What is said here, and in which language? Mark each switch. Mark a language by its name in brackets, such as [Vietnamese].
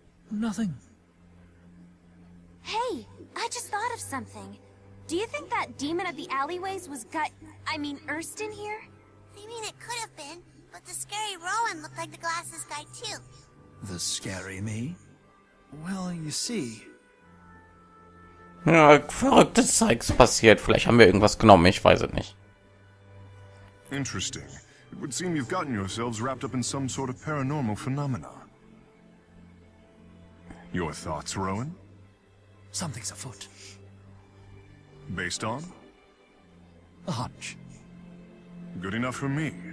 [English] Nothing. Hey, I just thought of something. Do you think that demon of the alleyways was Erston here? I mean, it could have been. But the scary Rowan looked like the glasses guy, too. The scary me? Well, you see. [German] Ja, verrücktes Zeugs passiert. Vielleicht haben wir irgendwas genommen, ich weiß es nicht. [English] Interesting. It would seem you've gotten yourselves wrapped up in some sort of paranormal phenomena. Your thoughts, Rowan? Something's afoot. Based on? A hunch. Good enough for me.